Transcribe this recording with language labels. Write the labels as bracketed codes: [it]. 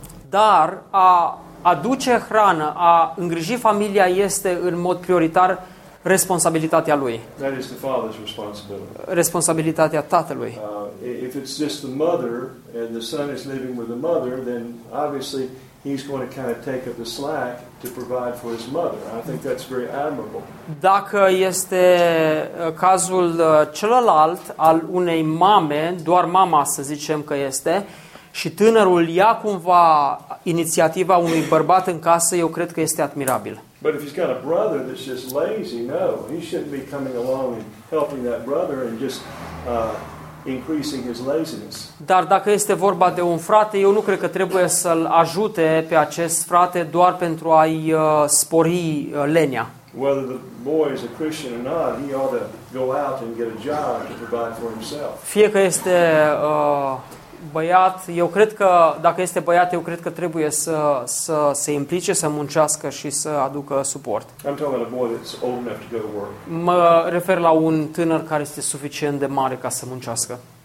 [ro] Dar a aduce hrană, a îngriji familia este în mod prioritar responsabilitatea lui. [en] That is the father's responsibility. [ro] Responsabilitatea tatălui. [en] If it's just the mother and the son is living with the mother, then obviously he's going to kind of take up the slack to provide for his mother. I think that's very admirable. [ro] Dacă este cazul celălalt al unei mame, doar mama să zicem că este, și tânărul ia cumva inițiativa unui bărbat în casă, eu cred că este admirabil. [en] But if he's got a brother that's just lazy, no, he shouldn't be coming along and helping that brother and just increasing his laziness. [ro] Dar dacă este vorba de un frate, eu nu cred că trebuie să-l ajute pe acest frate doar pentru a-i spori lenea. [en] Whether the boy is a Christian or not, he ought to go out and get a job to provide for himself. [ro] Fie că este băiat, eu cred că dacă este băiat, eu cred că trebuie să se implice, să muncească și să aducă suport. [en] I'm talking about a boy that's old enough to go to work. [ro] Mă refer la un tânăr care este suficient de mare ca să muncească.